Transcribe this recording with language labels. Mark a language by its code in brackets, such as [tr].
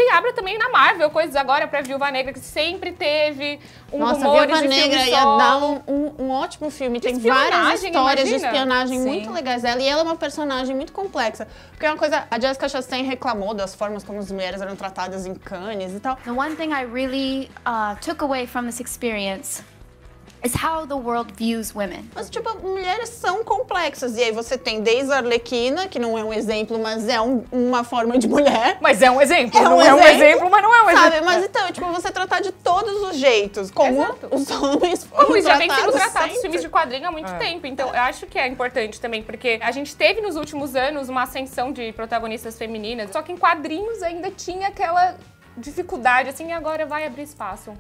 [pt] se abra também na Marvel, coisas agora pra Viúva Negra, que sempre teve um rumor de filme solo. Nossa, Viúva Negra ia dar um ótimo filme. Tem várias histórias de espionagem muito legais dela. E ela é uma personagem muito complexa. Porque é uma coisa... A Jessica Chastain reclamou das formas como as mulheres eram tratadas em Cannes e tal. [en] The one thing I really took away from this experience is how the world views women. [pt] Mas, tipo, mulheres são complexas. E aí você tem desde a Arlequina, que não é um exemplo, mas é uma forma de mulher. Mas é um exemplo. Não é um exemplo. Mas então, tipo, você tratar de todos os jeitos. Como os homens foram Como já vem sendo tratado os filmes de quadrinho há muito tempo. Então, eu acho que é importante também, porque a gente teve nos últimos anos uma ascensão de protagonistas femininas, só que em quadrinhos ainda tinha aquela dificuldade, assim, e agora vai abrir espaço.